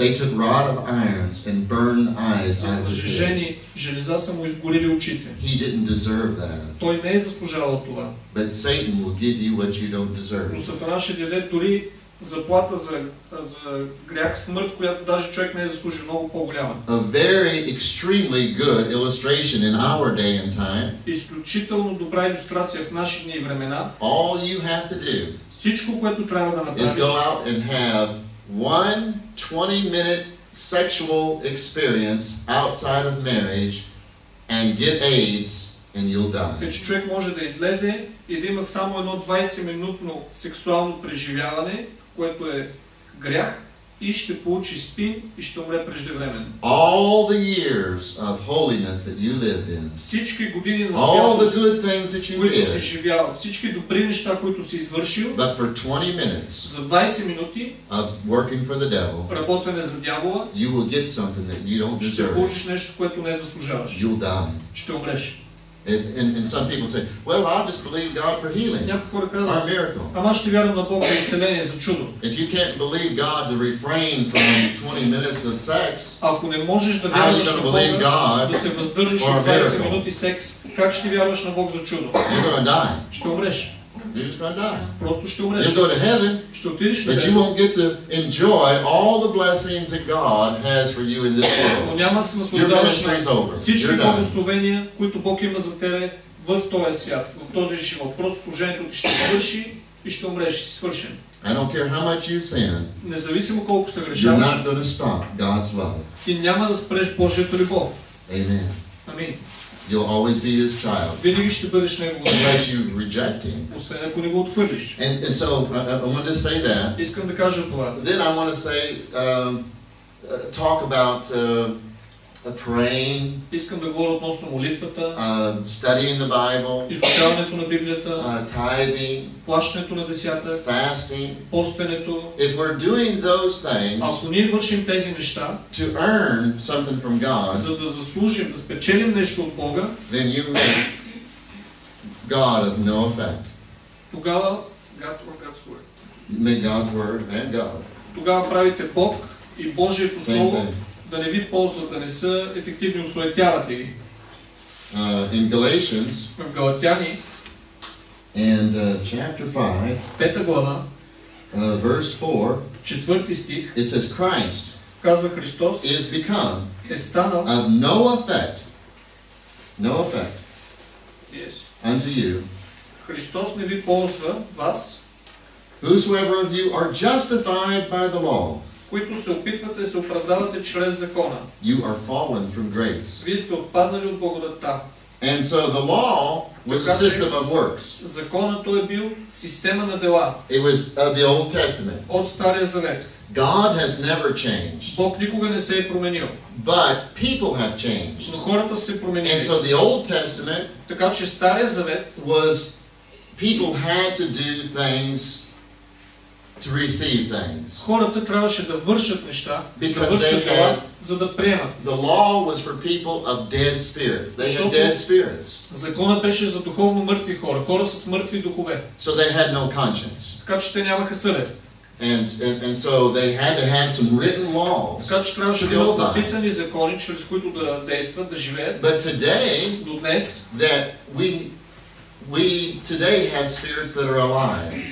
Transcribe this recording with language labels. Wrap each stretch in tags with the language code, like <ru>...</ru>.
<en>They took rod of irons and burned eyes out of his head.</en> <bg>Железа са му изгорили очите.</bg> <en>He didn't deserve that.</en> <bg>Той не е заслужавал това.</bg> <en>But Satan will give you what you don't deserve.</en> <bg>Но Сатана ще даде дори заплата за грях, смърт, която даже човек не е заслужил, много по-голяма.</bg> <en>A very extremely good illustration in our day and time.</en> <bg>Изключително добра илюстрация в наши дни и времена.</bg> <en>All you have to do.</en> <bg>Всичко, което трябва да направиш.</bg> <en>Is go out and have one 20-minute sexual experience outside of marriage and get AIDS and you'll die.</en> <bg>Че човек може да излезе и да има само едно 20-минутно сексуално преживяване, което е грях, и ще получи спин и ще умре преждевременно.</bg> <en>All the years of holiness that you lived in.</en> <bg>Всички години на святост, които си живял, всички добри неща, които си извършил,</bg> <en>but for 20 minutes</en> <bg>за 20 минути</bg> <en>of working for the devil,</en> <bg>работене за дявола,</bg> <en>you will get something that you don't deserve.</en> <bg>Ще получиш нещо, което не заслужаваш.</bg> <en>You'll die.</en> <bg>Ще умреш.</bg> <en>And some people say, well, I'll just believe God for healing.</en> <bg>Някой казва,</bg> <en>our miracle.</en> <bg>Ама ще вярвам на Бог за изцеление, за чудо.</bg> <en>If you can't believe God to refrain from 20 minutes of sex,</en> <bg>ако не можеш да вярваш на Бог да се въздържиш от 20 минути секс, как ще вярваш на Бог за чудо?</bg> <en>You're gonna die.</en> <bg>Ще умреш.</bg> <en>You're just gonna die.</en> <bg>Просто ще умреш.</bg> <en>You'll go to heaven,</en> <bg>ще отидеш на небето.</bg> <en>But you won't get to enjoy all the blessings that God has for you in this world.</en> <bg>Но няма да се наслаждаваш на всички благословения, които Бог има за тебе в този свят, в този живот. Просто служението ти ще свърши и ще умреш и си свършен.</bg> <en>I don't care how much you sin.</en> <bg>Независимо колко съгрешаваш.</bg> <en>You're not gonna stop God's love.</en> <bg>Ти няма да спреш Божията любов.</bg> <en>Amen.</en> <bg>Амин.</bg> <en>You'll always be his child.</en> <bg>Винаги ще бъдеш негов син.</bg> <en>Unless you reject him.</en> <bg>Освен ако не го отхвърлиш.</bg> <en>And so I want to say that.</en> <bg>Искам да кажа това.</bg> <en>Then I want to say talk about praying.</en> <bg>Искам да говоря относно молитвата.</bg> <en>Studying the Bible.</en> <bg>Изучаването на Библията.</bg> <en>Tithing.</en> <bg>Плащането на десятък.</bg> <en>Fasting.</en> <bg>Постенето.</bg> <en>If we're doing those things,</en> <bg>ако ние вършим тези неща,</bg> <en>to earn something from God,</en> <bg>за да заслужим, да спечелим нещо от Бога,</bg> <en>then you make God of no effect.</en> <bg>Тогава</bg> <en>God's word, God's word. You make God's word and God.</en> <bg>Тогава правите Бог и Божието слово да не ви ползват, да не са ефективни, осуетявате ги.</bg> <en>In Galatians,</en> <bg>в Галатяни,</bg> <en>and chapter 5,</en> <bg>пета глава,</bg> <en>verse 4,</en> <bg>четвърти стих,</bg> <en>it says Christ,</en> <bg>казва Христос,</bg> <en>is become,</en> <bg>е станал,</bg> <en>of no effect, no effect, yes, unto you,</en> <bg>Христос не ви ползва, вас,</bg> <en>whosoever of you are justified by the law,</en> <bg>които се опитвате и се оправдавате чрез закона.</bg> <en>You are fallen from grace.</en> <bg>Вие сте отпаднали от благодата.</bg> <en>And so the law was a system of works.</en> <bg>Законът е бил система на дела.</bg> <en>It was the Old Testament.</en> <bg>От Стария Завет.</bg> <en>God has never changed.</en> <bg>Бог никога не се е променил.</bg> <en>But people have changed.</en> <bg>Но хората се променили.</bg> <en>And so the Old Testament,</en> <bg>така че Стария Завет,</bg> <en>was people had to do things to receive things.</en> <bg>Хората трябваше да вършат неща, да вършат това, за да приемат.</bg> <en>The law was for people of dead spirits. They had dead spirits.</en> <bg>Законът беше за духовно мъртви хора, хора с мъртви духове.</bg> <en>So they had no conscience.</en> <bg>Така че те нямаха съвест.</bg> <en>And so they had to have some written laws.</en> <bg>Така че трябваше да имат написани закони, чрез които да действат, да живеят.</bg> <en>But today,</en> <bg>до днес,</bg> <en>that we today have spirits that are alive.</en>